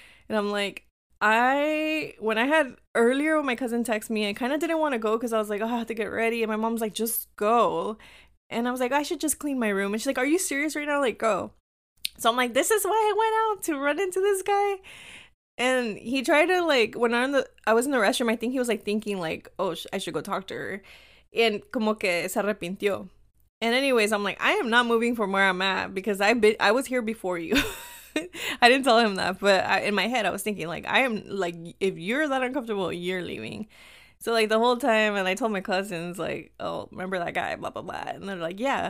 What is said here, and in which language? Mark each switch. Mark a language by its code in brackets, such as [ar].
[en] And I'm like, when I had earlier when my cousin texted me, I kind of didn't want to go, because I was like, oh, I have to get ready. And my mom's like, just go. And I was like, I should just clean my room. And she's like, are you serious right now? Like, go. So I'm like, this is why I went out, to run into this guy. And he tried to like, when I was in the restroom, I think he was like thinking like, oh, I should go talk to her. [es] And como que se arrepintió. [en] And anyways, I'm like, I am not moving from where I'm at, because I was here before you. I didn't tell him that, but in my head, I was thinking like, I am like, if you're that uncomfortable, you're leaving. So like, the whole time, and I told my cousins like, oh, remember that guy, blah blah blah. And they're like, yeah.